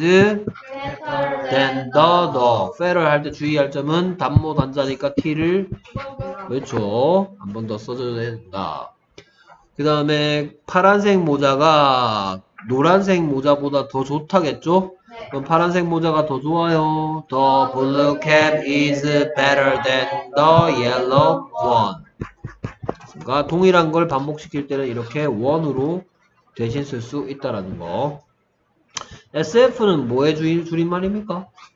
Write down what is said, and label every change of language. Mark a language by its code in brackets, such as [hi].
[en] better than the dog. [ko] fairer 할 때 주의할 점은 단모 단자니까 t를 그렇죠. 한 번 더 써줘야 된다. 그 다음에 파란색 모자가 노란색 모자보다 더 좋다겠죠? 네. 그럼 파란색 모자가 더 좋아요. [en] The blue cap is better than the yellow one. [ko] 그러니까 동일한 걸 반복시킬 때는 이렇게 one으로 대신 쓸 수 있다라는 거. SF는 뭐의 줄임말입니까?